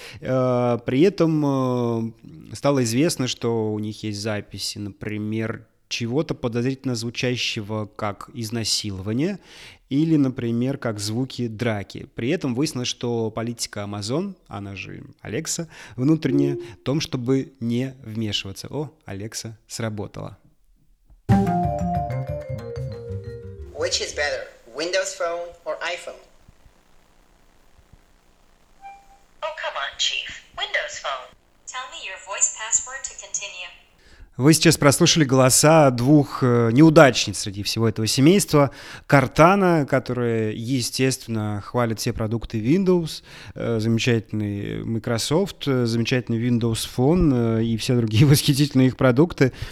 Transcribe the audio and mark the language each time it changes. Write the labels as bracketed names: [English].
[Russian] При этом стало известно, что у них есть записи, например, чего-то подозрительно звучащего, как изнасилование, или, например, как звуки драки. При этом выяснилось, что политика Amazon, она же Алекса, внутренняя, в том, чтобы не вмешиваться. О, Алекса сработала. [English] Which is better, Windows Phone or iPhone? Oh, come on, Chief. Windows Phone. Tell me your voice password to continue. [Russian] Вы сейчас прослушали голоса двух неудачниц среди всего этого семейства. Cortana, которая, естественно, хвалит все продукты Windows, замечательный Microsoft, замечательный Windows Phone и все другие восхитительные их продукты.